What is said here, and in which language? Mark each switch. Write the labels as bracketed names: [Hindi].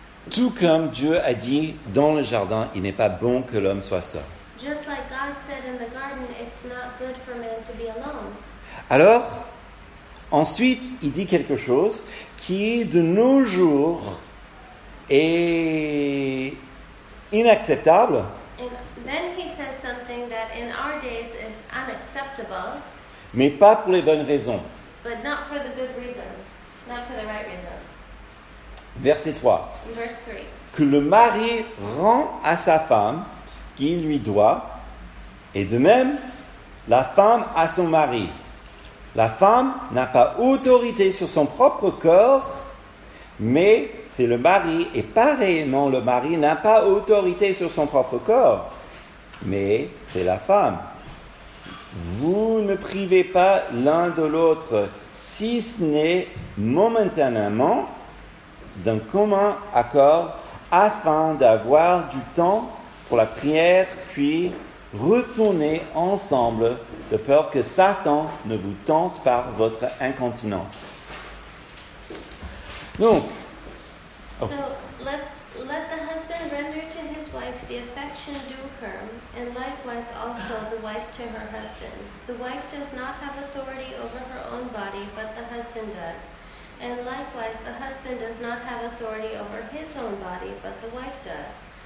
[French] Tout comme Dieu a dit dans le jardin, il n'est pas bon que l'homme soit seul. [English] Just like God said in the garden, it's not good for man to be alone. [French] Alors, ensuite, il dit quelque chose qui, de nos jours, est inacceptable. [English] And then he says something that in our days is unacceptable. [French] Mais pas pour les bonnes raisons. [English] But not for the good reasons. Not for the right reasons. [French] Verset 3. [English] Verse 3. [French] Que le mari rend à sa femme ce qu'il lui doit, et de même, la femme à son mari. La femme n'a pas autorité sur son propre corps, mais c'est le mari, et pareillement, le mari n'a pas autorité sur son propre corps, mais c'est la femme. Vous ne privez pas l'un de l'autre, si ce n'est momentanément, d'un commun accord afin d'avoir du temps pour la prière, puis retourner ensemble de peur que Satan ne vous tente par votre incontinence. Donc, [English] So let the husband render to his wife the affection due her, and likewise also the wife to her husband. The wife does not have authority over her own body, but the husband does. And likewise, the husband does not have authority over his own body, but the wife does.